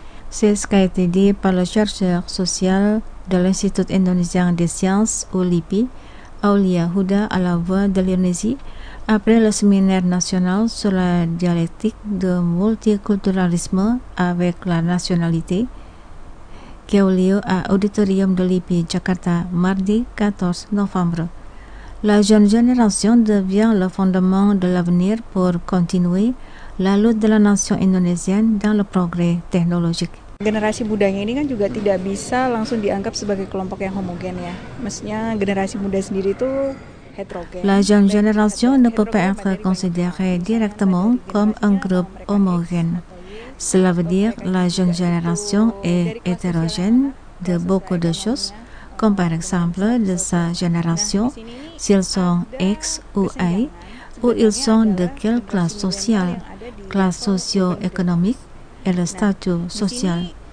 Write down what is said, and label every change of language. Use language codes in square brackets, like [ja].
[fr] C'est ce qui a été dit par le chercheur social de l'Institut indonésien des sciences, ou LIPI, Aulia Huda, à la Voix de l'Indonésie, après le séminaire national sur la dialectique de multiculturalisme avec la nationalité, qui a eu lieu à l'Auditorium de LIPI, Jakarta, mardi 14 novembre. La jeune génération devient le fondement de l'avenir pour continuer la lutte de la nation indonésienne dans le progrès technologique. [id] Generasi mudanya ini kan juga tidak bisa langsung dianggap sebagai kelompok yang homogen ya. Maksudnya generasi muda sendiri itu heterogen. [fr] La jeune génération ne peut pas être considérée directement comme un groupe homogène. Cela veut dire la jeune génération est hétérogène de beaucoup de choses, comme par exemple de sa génération, s'ils sont X ou Y, ou ils sont de quelle classe sociale, classe socio-économique, et le statut social.